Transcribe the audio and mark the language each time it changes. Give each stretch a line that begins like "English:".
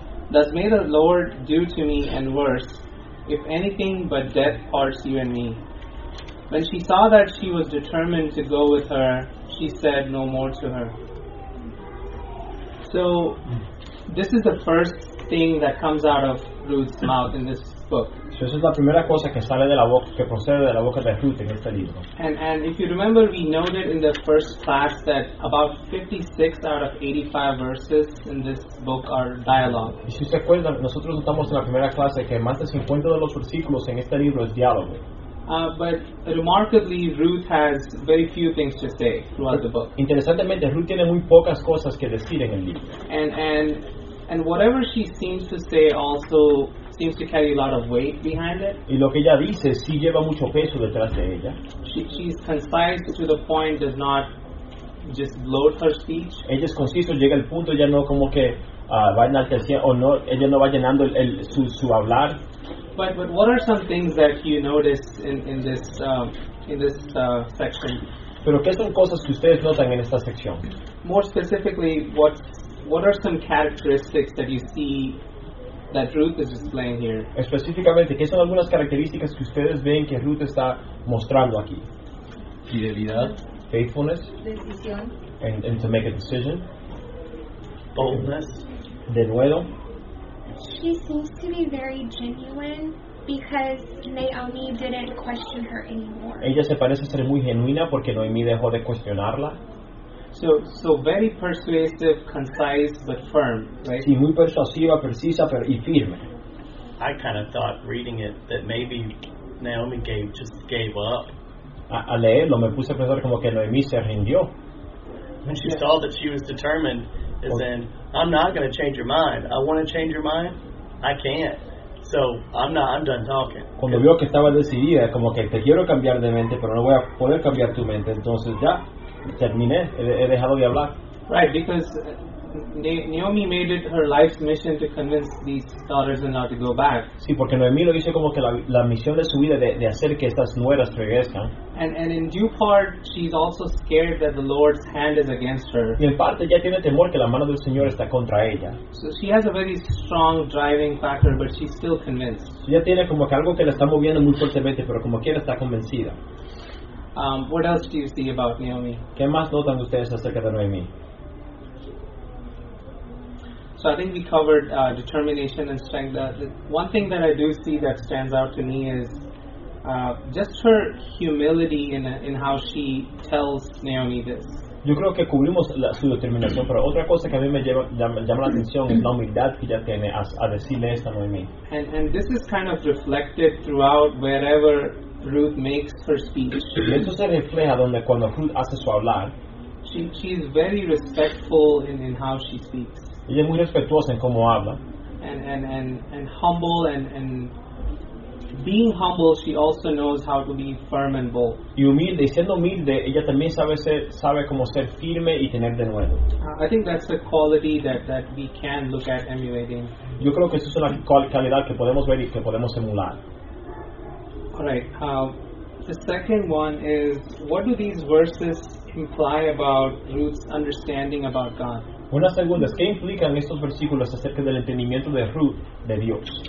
English: Thus may the Lord do to me and worse, if anything but death parts you and me." When she saw that she was determined to go with her, she said no more to her. So, this is the first thing that comes out of Ruth's mouth in this book.
Spanish: So, esa es la primera cosa que sale de la boca, que procede de la boca de Ruth en este libro.
English: And if you remember, we noted in the first class that about 56 out of 85 verses in this book are dialogue.
Spanish: Y si se acuerdan, nosotros notamos en la primera clase que más de 50 de los versículos en este libro es diálogo.
English: But remarkably, Ruth has very few things to say throughout the book.
Spanish: Interesantemente, Ruth tiene muy pocas cosas que decir en el libro.
English: And whatever she seems to say also seems to carry a lot of weight behind it.
Spanish: Y lo que ella dice sí lleva mucho peso detrás de ella.
English: She's concise to the point, does not just bloat her speech.
Spanish: Ella es concisa, llega al punto, ya no como que va en alteración, o no, ella no va llenando su hablar.
English: But what are some things that you notice in this section?
Spanish: Pero qué son cosas que ustedes notan en esta sección?
English: More specifically, what are some characteristics that you see that Ruth is displaying here?
Spanish: Específicamente, ¿qué son algunas características que ustedes ven que Ruth está mostrando aquí? Fidelidad,
English: faithfulness,
Spanish: decisión,
English: and to make a decision. Boldness,
Spanish: de nuevo.
English: She seems to be very genuine because Naomi didn't question her anymore.
Spanish: Ella se parece ser muy genuina porque Noemí dejó de cuestionarla.
English: So very persuasive, concise, but firm, right?
Spanish: Sí, muy persuasiva, precisa, pero y firme.
English: I kind of thought reading it that maybe Naomi just gave up.
Spanish: A leerlo me puse a pensar como que Noemí se rindió.
English: When she saw that she was determined, is then, I'm not going to change your mind. I want to change your mind. I can't. So, I'm done talking.
Spanish: Cuando vio que estaba decidida, como que te quiero cambiar de mente, pero no voy a poder cambiar tu mente, entonces ya, terminé, he dejado de hablar.
English: Right, because Naomi made it her life's mission to convince these daughters-in-law to go back.
Spanish: Sí, porque Noemí lo hizo como que la misión de su vida de hacer que estas nueras regresen.
English: And in due part, she's also scared that the Lord's hand is against her.
Spanish: Y en parte ya tiene temor que la mano del Señor está contra ella.
English: So she has a very strong driving factor, but she's still convinced.
Spanish: Ya tiene como que algo que la está moviendo muy fuertemente, pero como quiera está convencida.
English: What else do you see about Naomi?
Spanish: ¿Qué más notan ustedes acerca de Noemí?
English: So I think we covered determination and strength. The one thing that I do see that stands out to me is just her humility in how she tells Naomi this.
Spanish: Yo creo que cubrimos su determinación, pero otra cosa que a mí me llama la atención es la humildad que ella tiene a decirle esto a Noemí.
English: And this is kind of reflected throughout wherever Ruth makes her speech.
Spanish: Y esto se refleja donde cuando Ruth hace su hablar.
English: She is very respectful in how she speaks.
Spanish: Ella es muy respetuosa en cómo habla.
English: And humble and being humble, she also knows how to be firm and bold.
Spanish: Y humilde, siendo humilde, ella también sabe cómo ser firme y tener de nuevo.
English: I think that's a quality that we can look at emulating.
Spanish: Yo creo que eso es una calidad que podemos ver y que podemos emular.
English: All right. The second one is, what do these verses imply about Ruth's understanding about God?
Spanish: Una segunda es, ¿qué implican estos versículos acerca del entendimiento de Ruth de Dios?